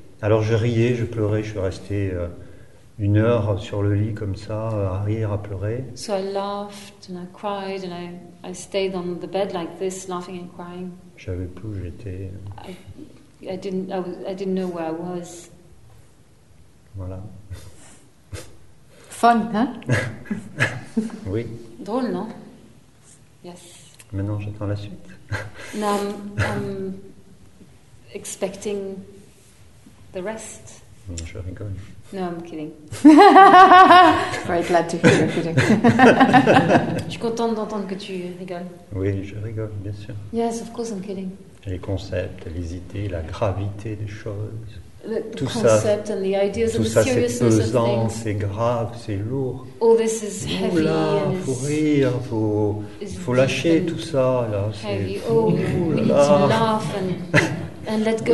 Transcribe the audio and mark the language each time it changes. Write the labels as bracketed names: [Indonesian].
[French] Alors je riais, je pleurais, je suis resté une heure sur le lit comme ça, à rire, à pleurer. [English] So I laughed and I cried and I stayed on the bed like this, laughing and crying. [French] Je savais plus où j'étais. [English] I didn't know where I was. [French] Voilà. [English] Fun, hein? [French] Oui. Drôle, non? [English] Yes. [French] Maintenant, j'attends la suite. [English] Now I'm expecting the rest. [French] Je rigole. [English] No, I'm kidding. Very glad to hear you're kidding. [French] Je suis contente d'entendre que tu rigoles. Oui, je rigole, bien sûr. [English] Yes, of course, I'm kidding. [French] Les concepts, les idées, la gravité des choses. [English] the concept and the ideas of the seriousness of things. [French] C'est grave, c'est lourd. [English] All this is heavy. [French] Oula, [English] and [French] faut rire, faut lâcher tout ça. Là, [English] heavy. [French] C'est [English] oh, we need to laugh and let go